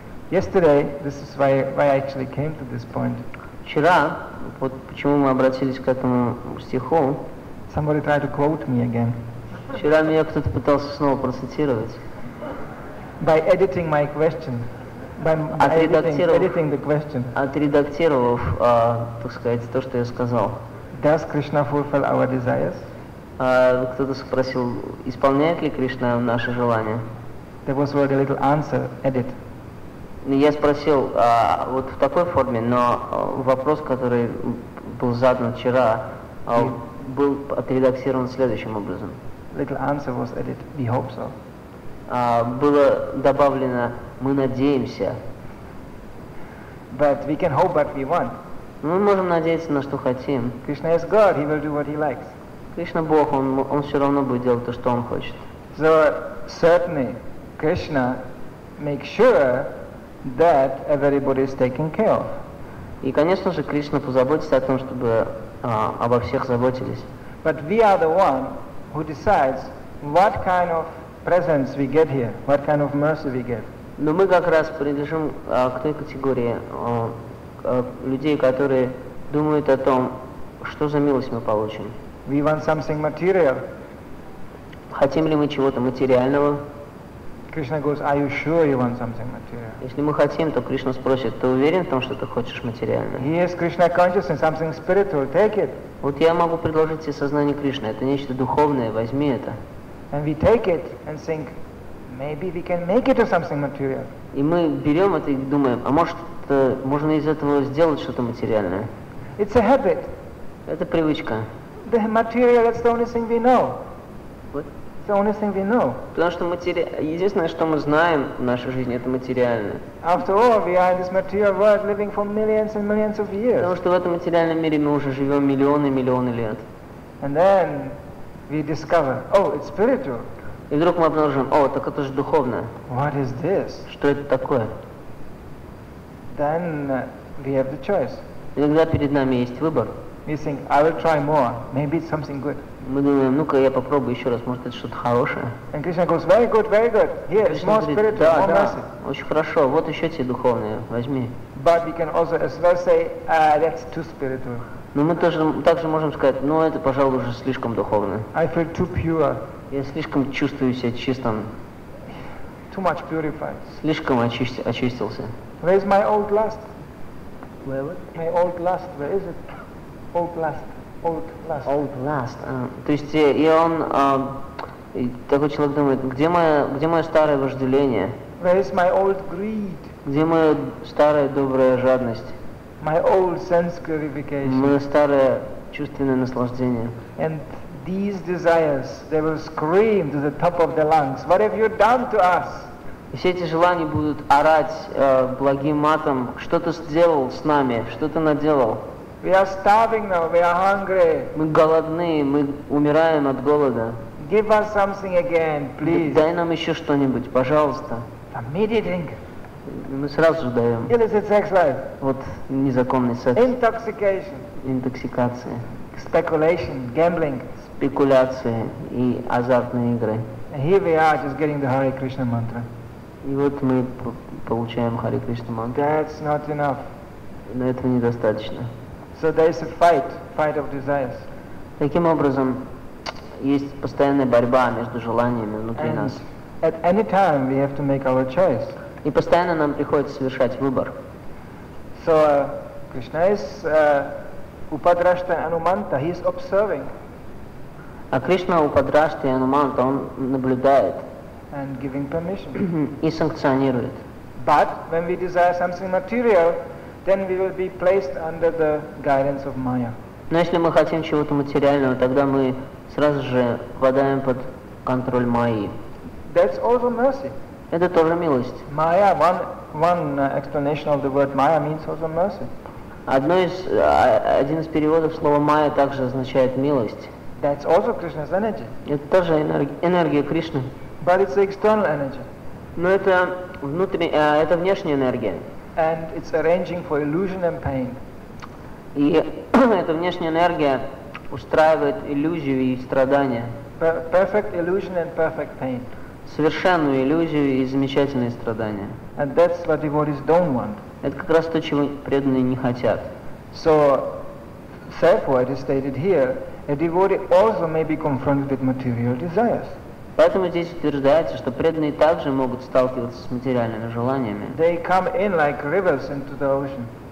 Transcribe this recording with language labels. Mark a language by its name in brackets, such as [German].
[English] Yesterday, this is why I actually came to this point. [Russian] Вчера, вот почему мы обратились к этому стиху. [English] Somebody tried to quote me again. [Russian] Вчера меня кто-то пытался снова процитировать. [English] By editing my question. [Russian] Отредактировав, так сказать, то, что я сказал. [English] Does Krishna fulfill our desires? [Russian] Кто-то спросил, исполняет ли Кришна наши желания? [English] There was already a little answer, edit. [Russian] Я спросил вот в такой форме, но вопрос, который был задан вчера, был отредактирован следующим образом. [English] Little answer was edit, we hope so. [Russian] Было добавлено «Мы надеемся». [English] But we can hope what we want. [Russian] Мы можем надеяться на что хотим. [English] Krishna is God, he will do what he likes. [Russian] Кришна Бог, он все равно будет делать то, что он хочет. [English] So, certainly, Krishna make sure that everybody is taken care of? [Russian] И, конечно же, Кришна позаботится о том, чтобы обо всех заботились. [English] But we are the one who decides what kind of presence we get here, what kind of mercy we get. [Russian] Но мы как раз принадлежим к той категории людей, которые думают о том, что за милость мы получим. [English] We want something material. [Russian] Хотим ли мы чего-то материального? [English] Krishna goes, are you sure you want something material? [Russian] Если мы хотим, то Кришна спросит, ты уверен в том, что ты хочешь материально? [English] Yes, Krishna consciousness, something spiritual, take it. [Russian] Вот я могу предложить тебе сознание Кришны, это нечто духовное, возьми это. [English] And we take it and think, maybe we can make it to something material. [Russian] И мы берем это и думаем, а может, можно из этого сделать что-то материальное? [English] It's a habit. [Russian] Это привычка. [English] The material, that's the only thing we know. The only thing we know. [Russian] Потому что единственное, что мы знаем в нашей жизни, это материальное. [English] After all, we are in this material world living for millions and millions of years. [Russian] Потому что в этом материальном мире мы уже живем миллионы и миллионы лет. [English] And then we discover, oh, it's spiritual. [Russian] И вдруг мы обнаружим, о, так это же духовное. [English] What is this? [Russian] Что это такое? [English] Then we have the choice. [Russian] И тогда перед нами есть выбор. [English] We think, I will try more. Maybe it's something good. [Russian] Мы думаем, ну-ка я попробую еще раз, может это что-то хорошее. [English] And Krishna goes, very good, very good. Yes, more spirit, [Russian] да, [English] more mercy. [Russian] Очень хорошо, вот еще тебе духовное, возьми. [English] But we can also as well say, that's too spiritual. [Russian] Но мы тоже также можем сказать, ну это, пожалуй, уже слишком духовное. [English] I feel too pure. [Russian] Я слишком чувствую себя чистым. [English] Too much purified. [Russian] Слишком очистился. [English] Where is my old lust? Where what? My old lust, where is it? Old lust. Old lust. [Russian] То есть и он такой человек думает, где мое старое вожделение? [English] Where is my old greed? [Russian] Где моя старая добрая жадность? [English] My old sense gratification. [Russian] Мое старое чувственное наслаждение. [English] And these desires, they will scream to the top of the lungs. What have you done to us? [Russian] И все эти желания будут орать благим матом. Что ты сделал с нами? Что ты наделал? [English] We are starving now. We are hungry. [Russian] Мы голодны, мы умираем от голода. [English] Give us something again, please. [Russian] Дай нам еще что-нибудь, пожалуйста. [English] The meat eating. [Russian] Мы сразу же даем. [English] Illicit sex life. [Russian] Вот незаконный секс. [English] Intoxication. [Russian] Интоксикация. [English] Speculation, gambling. [Russian] Спекуляции и азартные игры. [English] And here we are, just getting the Hare Krishna mantra. [Russian] И вот мы получаем Hare Krishna mantra. [English] That's not enough. [Russian] Но этого недостаточно. [English] So there is a fight of desires. [Russian] Таким образом, есть постоянная борьба между желаниями внутри нас. [English] At any time we have to make our choice. [Russian] И постоянно нам приходится совершать выбор. [English] So Krishna is upadrashta anumanta, he is observing. [Russian] А Кришна упадрашта ануманта, он наблюдает. [English] And giving permission. [Russian] И санкционирует. [English] But when we desire something material, then we will be placed under the guidance of Maya. [Russian] Но если мы хотим чего-то материального, тогда мы сразу же попадаем под контроль Майи. [English] That's also mercy. [Russian] Это тоже милость. [English] Maya, one explanation of the word Maya means also mercy. [Russian] Один из переводов слова Майя также означает милость. [English] That's also Krishna's energy. [Russian] Это тоже энергия Кришны. [English] But it's external energy. [Russian] Но это это внешняя энергия. [English] And it's arranging for illusion and pain. [Russian] И эта внешняя энергия устраивает иллюзию и страдания. [English] Perfect illusion and perfect pain. [Russian] Совершенную иллюзию и замечательные страдания. [English] And that's what devotees don't want. [Russian] Это как раз то, чего преданные не хотят. [English] So, therefore, it is stated here, a devotee also may be confronted with material desires. [Russian] Поэтому здесь утверждается, что преданные также могут сталкиваться с материальными желаниями. [English] They come in like rivers into the ocean.